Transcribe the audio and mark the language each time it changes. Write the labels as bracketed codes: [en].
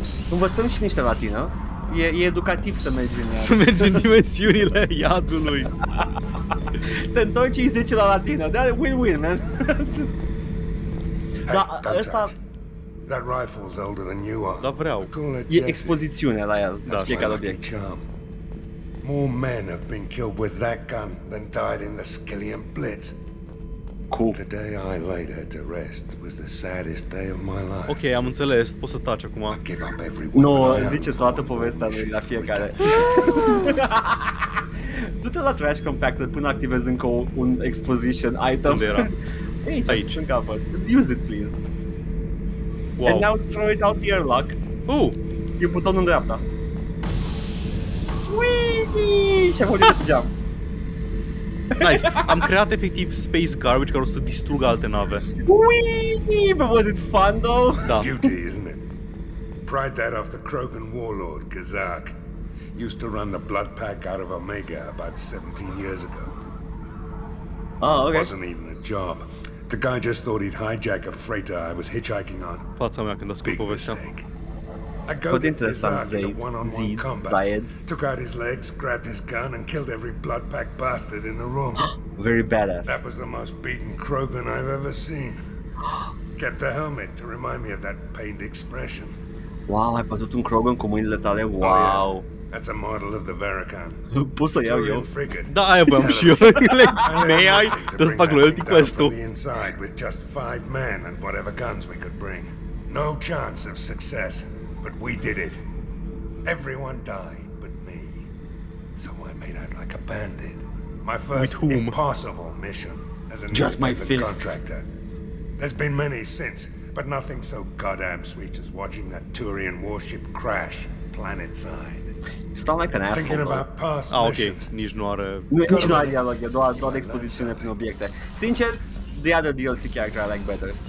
[ro] Învățăm și niște latină. E educativ să mergi în iad. Să mergi în dimensiunile iadului. Te întorci 10 la latină, de-aia win-win, man. [en] That rifle's older than you are. [ro] Da, vreau. E expozițiunea la el, da, fiecare obiect. [en] More men have been killed with that gun than died in the Skellion Blitz. Cool. The day I laid her to rest was the saddest day of my life. [ro] Ok, am înțeles, pot să taci acum. No, zice toată povestea lui la fiecare. Du-te la trash compactor până activezi încă un exposition item. Unde era? Aici. În capăt. Use it, please. [en] Wow. And now throw it out the airlock. Ooh. [ro] E butonul în dreapta. Whee! Și-am urmărit pe geam. [en] Nice. [ro] Am creat efectiv space garbage care o să distrugă alte nave. [en] Whee! But was it fun though? [ro] Da. [en] Beauty, isn't it? Pride that off the Krogan warlord, Kazak. Used to run the blood pack out of Omega about 17 years ago. Oh, okay. Wasn't even a job. The guy just thought he'd hijack a freighter I was hitchhiking on. Fața mea când ascult povestea. I go to the one-on-one combat. Took out his legs, grabbed his gun, and killed every blood pack bastard in the room. Very badass. That was the most beaten Krogan I've ever seen. Kept the helmet to remind me of that pained expression. [ro] Wow, ai bătut un Krogan cu mâinile tale? Wow. [en] That's a model of the Varrican. [ro] Poți să iau eu? Da, aia băiam și eu. May I? Trebuie să fac loyalty quest-ul. [en] Inside with just five men and whatever guns we could bring. No chance of success, but we did it. Everyone died but me. So I made out like a bandit. My first impossible mission as a new contractor. There's been many since, but nothing so goddamn sweet as watching that Turian warship crash. Planet side. It's not like an asshole. Thinking about past missions. [ro] Nici nu are. Nici nu are dialog, e doar expozițiune prin obiecte. [en] Sincer, the other DLC character I like better.